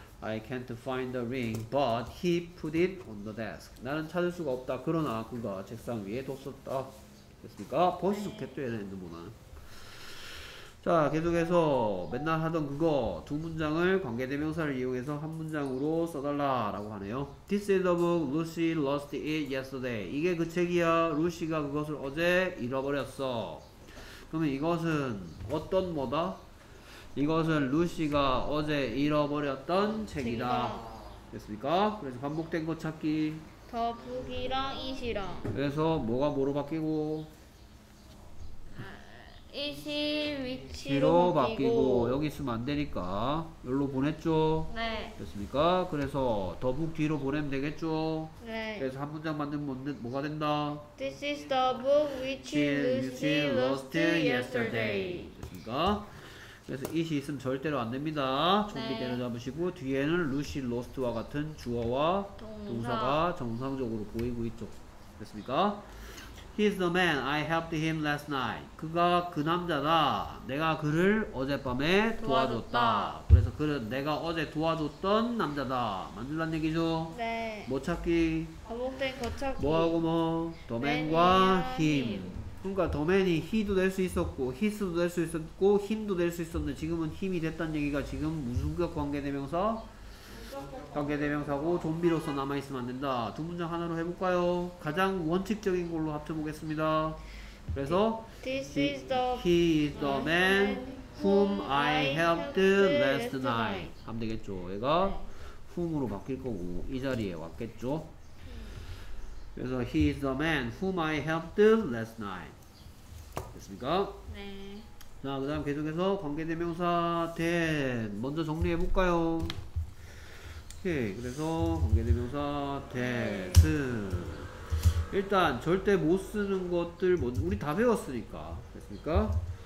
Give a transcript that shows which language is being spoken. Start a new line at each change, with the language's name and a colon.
English: I can't find the ring, but he put it on the desk.
Korean: 나는 찾을 수가 없다. 그러나 그가 책상 위에 뒀었다. 됐습니까? 버스스캣도 얘네 핸드폰은. 자, 계속해서 맨날 하던 그거 두 문장을 관계대명사를 이용해서 한 문장으로 써달라 라고 하네요.
English: This is the book. Lucy lost it yesterday.
Korean: 이게 그 책이야. 루시가 그것을 어제 잃어버렸어. 그러면 이것은 어떤 뭐다? 이것은 루시가 어제 잃어버렸던 책이다. 됐습니까? 그래서 반복된 것 찾기. 더 북이랑 이시랑. 그래서 뭐가 뭐로 바뀌고? 이시 위치로 바뀌고. 여기 있으면 안 되니까 여기로 보냈죠? 네. 됐습니까? 그래서 더 북 뒤로 보내면 되겠죠? 네. 그래서 한 문장 만들면 뭐가 된다?
English: This is the book which Lucy lost yesterday.
Korean: 됐습니까? 그래서 it이 있으면 절대로 안 됩니다. 좀비 네. 때려잡으시고 뒤에는 루시 로스트와 같은 주어와 동사가 정상적으로 보이고 있죠. 됐습니까?
English: He's the man. I helped him last night.
Korean: 그가 그 남자다. 내가 그를 어젯밤에 도와줬다. 그래서 그는 내가 어제 도와줬던 남자다. 만들란 얘기죠? 네. 뭐 찾기? 반복된 거 찾기. 뭐하고 뭐? The man과 him. 그러니까 the man이 he도 될 수 있었고 his도 될 수 있었고 him도 될 수 있었는데 지금은 him이 됐다는 얘기가 지금 무슨 관계대명사? 관계대명사고 좀비로서 남아있으면 안 된다. 두 문장 하나로 해볼까요? 가장 원칙적인 걸로 합쳐보겠습니다. 그래서
English: This is the he is the man whom I helped last night
Korean: 하면 되겠죠. 얘가 whom으로 바뀔 거고 이 자리에 왔겠죠. 그래서
English: he is the man whom I helped last night.
Korean: 됐습니까? 네. 자, 그다음 계속해서 관계대명사 된 먼저 정리해 볼까요? 오케이. 그래서 관계대명사 된은 일단 절대 못 쓰는 것들 먼저 우리 다 배웠으니까. 됐습니까?